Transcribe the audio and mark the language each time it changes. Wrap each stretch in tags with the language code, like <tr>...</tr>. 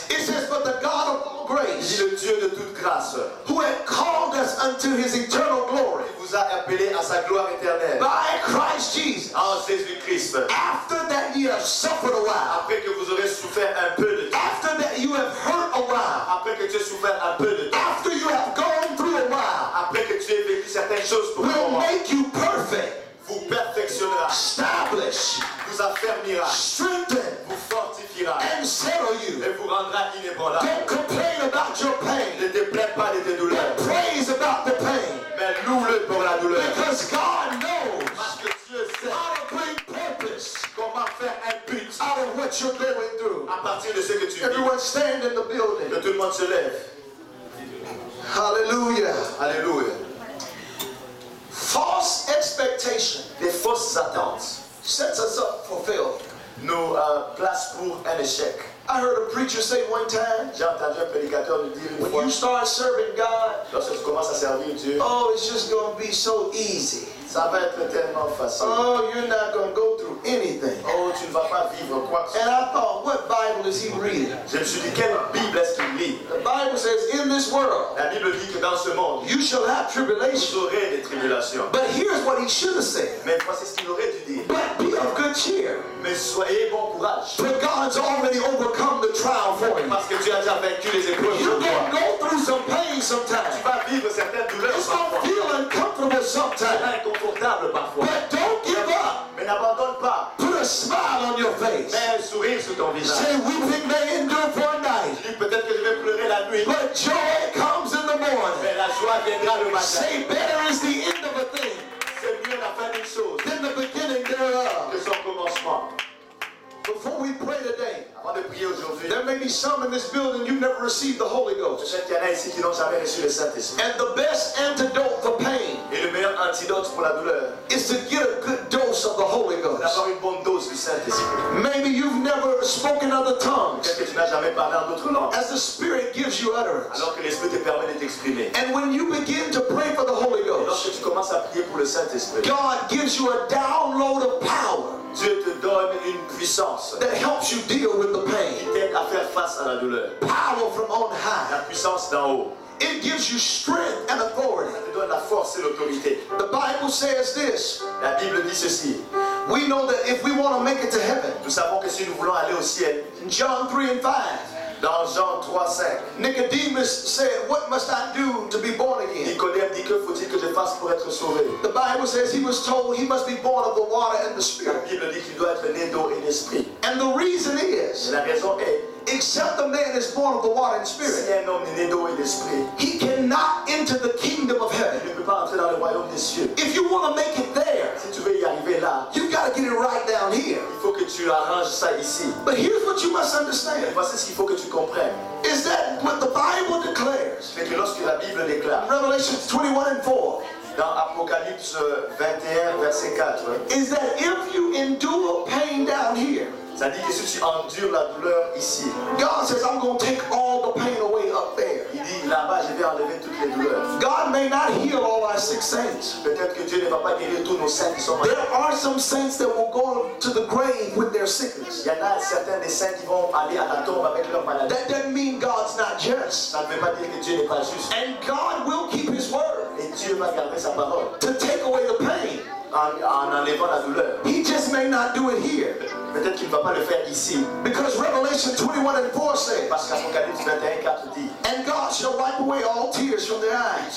<en>It says, but the God of all grace,</en> <fr>le Dieu de toute grâce,</fr> <en>who had called us unto his eternal glory,</en> <fr>qui vous a appelé à sa gloire éternelle,</fr> <en>by Christ Jesus,</en> <fr>en Jésus Christ,</fr> <en>after that you have suffered a while,</en> <fr>après que vous aurez souffert un peu de temps,</fr> <en>after that you have hurt a while,</en> <fr>après que tu aies souffert un peu de temps,</fr> <en>after you have gone through a while,</en> <fr>après que tu aies vécu certaines choses pour</fr> <en>will make you perfect,</en> <fr>vous perfectionnera,</fr> <en>establish,</en> <fr>vous affermira,</fr> <en>strengthen,</en> <fr>vous fortifiera,</fr> <en>and settle you,</en> <fr>et vous rendra inébranlable.</fr> <en>Don't complain about your pain,</en> <fr>ne te plains pas de tes douleurs,</fr> <en>but praise about the pain,</en> <fr>mais loue-le pour la douleur,</fr> <en>because God knows,</en> <fr>parce que Dieu sait,</fr> <en>how to bring purpose,</en> <fr>comment faire un but,</fr> <en>out of what you're going through,</en> <fr>à partir de ce que tu vis.</fr> <en>Everyone stand in the building,</en> <fr>que tout le monde se lève.</fr> <en>Hallelujah,</en> <fr>hallelujah.</fr> <en>False expectation,</en> <fr>des fausses attentes,</fr> <en>sets us up for failure.</en> <fr>Nous place pour un échec.</fr> <en>I heard a preacher say one time.</en> <fr>J'ai entendu un prédicateur me dire une fois.</fr> <en>When you start serving God,</en> <fr>lorsque tu commences à servir Dieu,</fr> <en>oh, it's just going to be so easy.</en> <fr>Ça va être tellement facile.</fr> <en>Oh, you're not going to go through anything.</en> <fr>Oh, tu ne vas pas vivre quoi que ce soit.</fr> <en>And I thought, what Bible is he reading?</en> <fr>Je me suis dit, quelle Bible est-ce qu'il lit?</fr> <en>The Bible says, in this world,</en> <fr>la Bible dit que dans ce monde,</fr> <en>you shall have tribulation.</en> <fr>Vous aurez des tribulations.</fr> <en>But here's what he should have said.</en> <fr>Mais voici ce qu'il aurait dû dire.</fr> <en>But be of good cheer.</en> <fr>Mais soyez bon courage.</fr> <en>But God's already overcome the trial for you.</en> <fr>Parce que tu as déjà vaincu les épreuves.</fr> <en>You're going to go through some pain sometimes.</en> <fr>Tu vas vivre certaines douleurs.</fr> <en>It's going to feel uncomfortable sometimes. But don't give up.</en> <fr>Mais n'abandonne pas.</fr> <en>Put a smile on your face.</en> <fr>Mets un sourire sur ton visage.</fr> <en>Say weeping may endure for a night.</en> <fr>Dis peut-être que je vais pleurer la nuit.</fr> <en>But joy comes in the morning.</en> <fr>Mais la joie viendra le matin.</fr> <en>Say better is the end of a thing.</en> <fr>C'est mieux la fin d'une chose.</fr> <en>Than the beginning thereof.</en> <fr>Que son commencement.</fr> <en>Before we pray today,</en> <fr>avant de prier aujourd'hui,</fr> <en>there may be some in this building you've never received the Holy Ghost.</en> <fr>Je sais qu'il y en a ici qui n'ont jamais reçu le Saint-Esprit.</fr> <en>And the best antidote for pain,</en> <fr>et le meilleur antidote pour la douleur,</fr> <en>is to get a good dose of the Holy Ghost.</en> <fr>D'avoir une bonne dose du Saint-Esprit.</fr> <en>Maybe you've never spoken other tongues.</en> <fr>Peut-être que tu n'as jamais parlé en d'autres langues.</fr> <en>As the Spirit gives you utterance.</en> <fr>Alors que l'Esprit te permet de t'exprimer.</fr> <en>And when you begin to pray for the Holy Ghost,</en> <fr>et lorsque tu commences à prier pour le Saint-Esprit,</fr> <en>God gives you a download of power.</en> <fr>Dieu te donne une puissance</fr> <en>that helps you deal with the pain.</en> <fr>Qui t'aide à faire face à la douleur.</fr> <en>Power from on high.</en> <fr>La puissance d'en haut.</fr> <en>It gives you strength and authority.</en> <fr>Ça te donne la force et l'autorité.</fr> <en>The Bible says this.</en> <fr>La Bible dit ceci.</fr> <en>We know that if we want to make it to heaven,</en> <fr>nous savons que si nous voulons aller au ciel,</fr> <en>John 3 and 5.</en> <fr>Dans Jean 3, 5,</fr> <en>Nicodemus said, "What must I do to be born again?"</en> <fr>Nicodème dit que faut-il que je fasse pour être sauvé.</fr> <en>The Bible says he was told he must be born of the water and the Spirit.</en> <fr>La Bible dit qu'il doit être né d'eau et d'esprit.</fr> <en>And the reason is,</en> <fr>et la raison est,</fr> <en>except a man is born of the water and spirit,</en> <fr>si un homme est né d'eau et d'esprit,</fr> <en>he cannot enter the kingdom of heaven.</en> <fr>Il ne peut pas entrer dans le royaume des cieux.</fr> <en>If you want to make it there,</en> <fr>si tu veux y arriver là,</fr> <en>you got to get it right down here.</en> <fr>Il faut que tu arranges ça ici.</fr> <en>But here's what you must understand.</en> <fr>Mais voici ce qu'il faut que tu comprennes.</fr> <en>Is that what the Bible declares?</en> <fr>C'est que lorsque la Bible déclare,</fr> <en>Revelation 21 and 4.</en> <fr>Dans Apocalypse 21 verset 4.</fr> <en>Is that if you endure pain down here?</en> <fr>C'est-à-dire que si tu endures la douleur ici,</fr> <en>God says, I'm going to take all the pain away up there.</en> <fr>Il dit, là-bas, je vais enlever toutes les douleurs.</fr> <en>God may not heal all our sick saints.</en> <fr>Peut-être que Dieu ne va pas guérir tous nos saints qui sont malades.</fr> <en>There are some saints that will go to the grave with their sickness.</en> <fr>Il y en a certains des saints qui vont aller à la tombe avec leur maladie.</fr> <en>That doesn't mean God's not just.</en> <fr>Ça ne veut pas dire que Dieu n'est pas juste.</fr> <en>And God will keep his word.</en> <fr>Et Dieu va garder sa parole.</fr> <en>To take away the pain.</en> <fr>En enlevant la douleur.</fr> <en>He just may not do it here.</en> <fr>Peut-être qu'il ne va pas le faire ici.</fr> <en>Because Revelation 21 and 4 say,</en> <fr>parce qu'Apocalypse 21 et 4 dit,</fr> <en>and God shall wipe away all tears from their eyes.</en>